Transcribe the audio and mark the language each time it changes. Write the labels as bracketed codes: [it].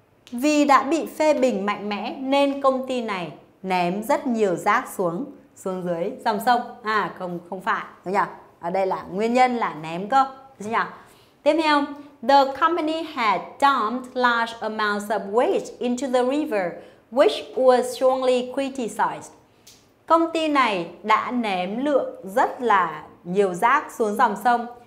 [vi] Vì đã bị phê bình mạnh mẽ nên công ty này ném rất nhiều rác xuống dưới dòng sông. À, không phải, đúng không nhỉ? Ở đây là nguyên nhân là ném cơ. Được chưa nhỉ? Tiếp theo. [en] The company had dumped large amounts of waste into the river, which was strongly criticized. [vi] Công ty này đã ném lượng rất là nhiều rác xuống dòng sông.